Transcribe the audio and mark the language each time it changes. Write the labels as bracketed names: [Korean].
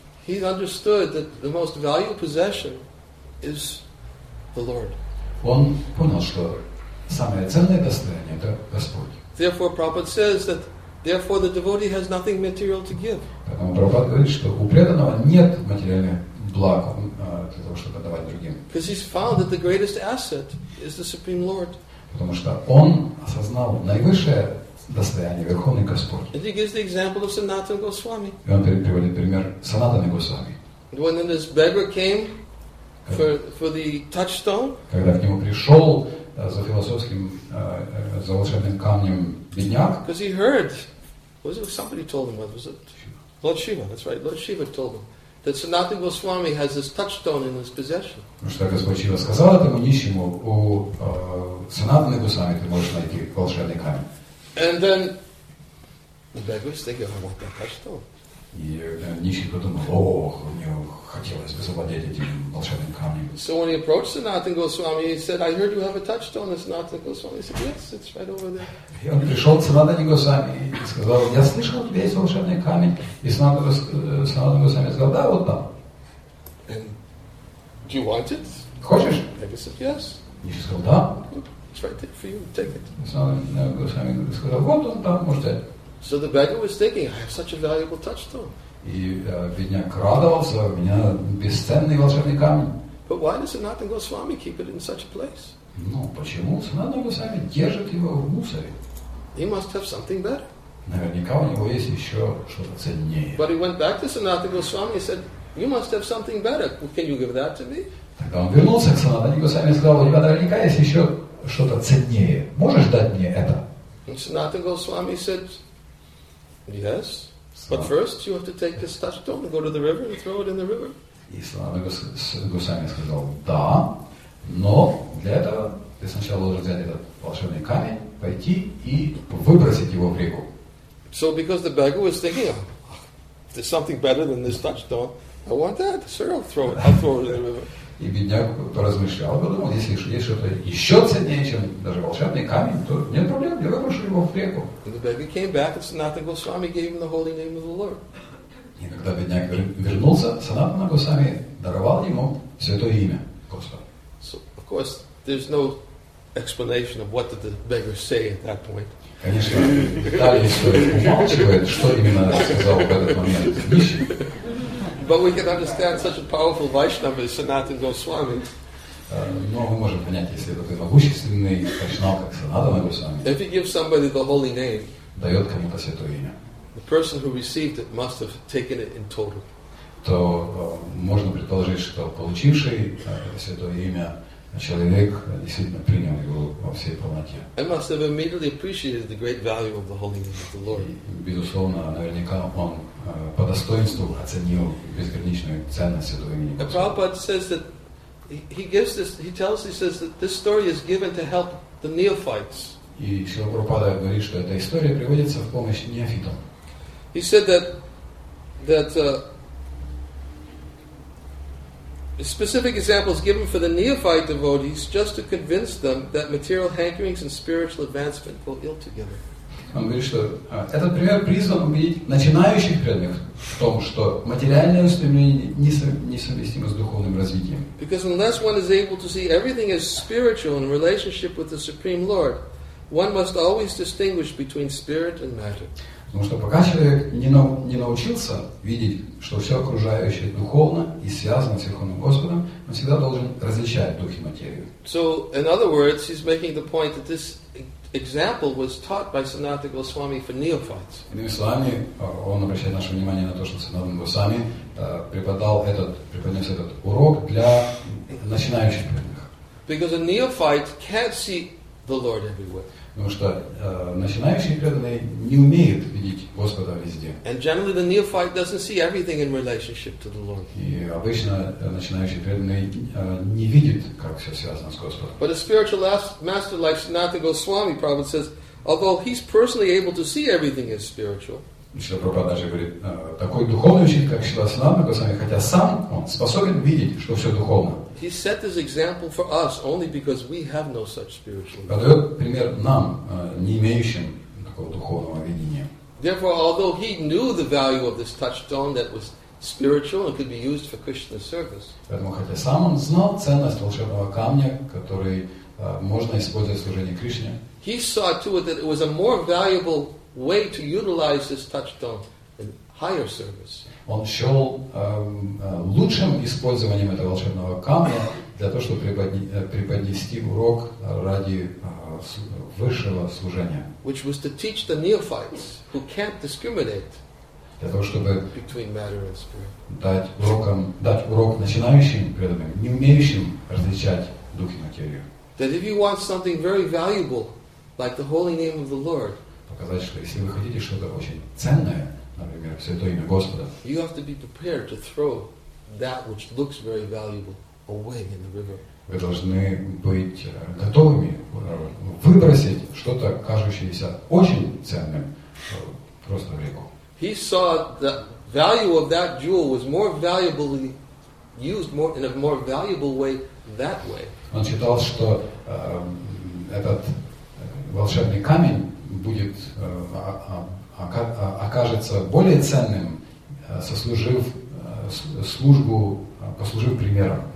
[English] He understood that the most valuable possession is the Lord. [Russian] Он понял, что самое ценное достояние это Господь. [English] Therefore, Prabhupada says that. Therefore, the devotee has nothing material to give. [Russian] Поэтому Прабхупад говорит, что у преданного нет материальных благ для того, чтобы отдавать другим. [English] Because he's found that the greatest asset is the Supreme Lord. [Russian] Потому что он осознал наивысшее достояние Верховный Господь. [English] And he gives the example of Sanatana Goswami. [Russian] И он приводит пример Санатаны Госвами. [English] When this beggar came for the touchstone. [Russian] Когда к нему пришел за философским за волшебным камнем. [English] Because he heard, was it somebody told him, what was it? Lord Shiva, that's right. Lord Shiva told him that Sanatana Goswami has this touchstone in his possession. [Russian] Что Господь Шива сказал этому нищему, у Санатаны Госвами ты можешь найти волшебный камень. [English] And then the beggar was thinking, I want that touchstone. [Russian] И нищий подумал, о, у него хотелось бы завладеть этим волшебным камнем. [English] So when he approached Sanatana Goswami, he said, I heard you have a touchstone, Sanatana Goswami. He said, yes, it's right over there. [Russian] И он пришел к Санатане Госвами и сказал, я слышал, у тебя есть волшебный камень. И Санатана Госвами сказал, да, вот там. [English] And do you want it? [Russian] Хочешь? [English] Beggar said, yes. [Russian] Нищий сказал, да. [English] It's right there for you, take it. [Russian] Санатана Госвами сказал, вот он там, можете. [English] So the beggar was thinking, I have such a valuable touchstone. [Russian] И бедняк радовался, у меня бесценный волшебный камень. [English] But why does Sanatana Goswami keep it in such a place? [Russian] Ну, почему Sanatana Goswami держит его в мусоре? [English] He must have something better. [Russian] Наверняка у него есть еще что-то ценнее. [English] But he went back to Sanatana Goswami and said, you must have something better. Can you give that to me? [Russian] Тогда он вернулся к Sanatana Goswami и сказал, у тебя наверняка есть еще что-то ценнее. Можешь дать мне это? [English] And Sanatana Goswami said, yes, but first you have to take this touchstone and go to the river and throw it in the river. [Russian] И Санатана Госвами сказал, да, но для этого ты сначала должен взять этот волшебный камень, пойти и выбросить его в реку. [English] So because the beggar was thinking, oh, there's something better than this touchstone, I want that, sir, I'll throw it in the river. [Russian] И бедняк поразмышлял, подумал, если есть что-то еще ценнее, чем даже волшебный камень, то нет проблем, я выброшу его в реку. [English] And the beggar came back and Sanatana Goswami gave him the holy name of the Lord. [Russian] И когда бедняк вернулся, Санатана Госвами даровал ему святое имя Господа. [English] So, of course, there's no explanation of what did the beggar say at that point. [Russian] Конечно, детали истории умалчивают, что именно сказал в этот момент нищий. [English] But we can understand such a powerful Vaishnava as Sanatana Goswami. [Russian] Но мы можем понять, если это могущественный Вайшнава, как Санатана Госвами. [English] If you give somebody the holy name, [Russian] дает кому-то святое имя. [English] The person who received it must have taken it in total. [Russian] То можно предположить, что получивший святое имя человек действительно принял его во всей полноте. [English] I must have immediately appreciated the great value of the holy name of the Lord. [Russian] Безусловно, наверняка он по достоинству оценил безграничную ценность этого имени. [English] And Prabhupada says that he says that this story is given to help the neophytes. [Russian] И Шрила Прабхупада говорит, что эта история приводится в помощь неофитам. [English] He said that specific examples given for the neophyte devotees just to convince them that material hankerings and spiritual advancement go ill together. [Russian] Он говорит, что этот пример призван убедить начинающих преданных в том, что материальное устремление несовместимо с духовным развитием. [English] Because unless one is able to see everything as spiritual in relationship with the Supreme Lord, one must always distinguish between spirit and matter. [Russian] Потому что пока человек не научился видеть, что все окружающее духовно и связано с Верховным Господом, он всегда должен различать дух и материю. [English] So, in other words, he's making the point that this example was taught by Sanatana Goswami for neophytes. [Russian] Иными словами, он обращает наше внимание на то, что Санатана Госвами преподнес этот урок для начинающих преданных. [English] Because a neophyte can't see the Lord everywhere. [Russian] Потому что начинающие преданные не умеют видеть Господа везде. [English] And generally the neophyte doesn't see everything in relationship to the Lord. [Russian] И обычно начинающие преданные не видят, как все связано с Господом. [English] But a spiritual master like Sanatana Goswami, Prabhupada says, although he's personally able to see everything as spiritual. [Russian] Шрила Прабхупада даже говорит, такой духовный учитель, как Шрила Санатана Госвами, хотя сам он способен видеть, что все духовно. [English] He set this example for us only because we have no such spiritual vision. [Russian] Подает пример нам, не имеющим такого духовного видения. [English] Therefore, although he knew the value of this touchstone that was spiritual and could be used for Krishna's service. [Russian] Поэтому, хотя сам он знал ценность волшебного камня, который можно использовать в служении Кришне. [English] He saw to it that it was a more valuable way to utilize this touchstone in higher service. [Russian] Он счел лучшим использованием этого волшебного камня для того, чтобы преподнести урок ради высшего служения. [English] Which was to teach the neophytes who can't discriminate [Russian] для того, чтобы [English] between matter and spirit. [Russian] Дать урок начинающим преданным, не умеющим различать дух и материю. [English] That if you want something very valuable, like the holy name of the Lord, [Russian] показать, что если вы хотите что-то очень ценное, например, Святое имя Господа. [English] You have to be prepared to throw that which looks very valuable away in the river. [Russian] Вы должны быть готовыми выбросить что-то кажущееся очень ценным просто в реку. [English] He saw the value of that jewel was more valuably used more in a more valuable way that way. [Russian] Он считал, что этот волшебный камень будет окажется более ценным, сослужив службу, послужив примером.